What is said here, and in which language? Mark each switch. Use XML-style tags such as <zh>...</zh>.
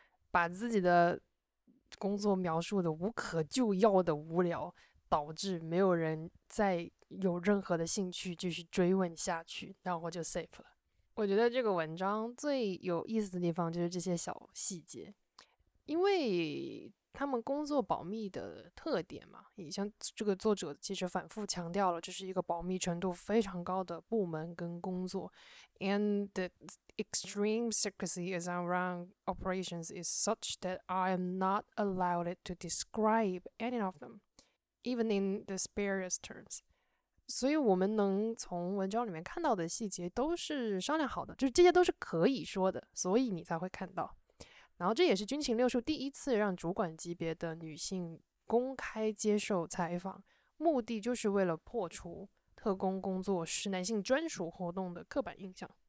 <zh>把自己的工作描述的无可救药的无聊，导致没有人再有任何的兴趣继续追问下去，然后就 safe 了。我觉得这个文章最有意思的地方就是这些小细节，因为他们工作保密的特点嘛，也像这个作者其实反复强调了，这是一个保密程度非常高的部门跟工作。</zh> <en>And the extreme secrecy is around operations is such that I am not allowed to describe any of them, even in the sparest terms.</en> <zh>所以我们能从文章里面看到的细节都是商量好的，就是这些都是可以说的，所以你才会看到。然后这也是军情六处第一次让主管级别的女性公开接受采访，目的就是为了破除特工工作是男性专属活动的刻板印象。</zh>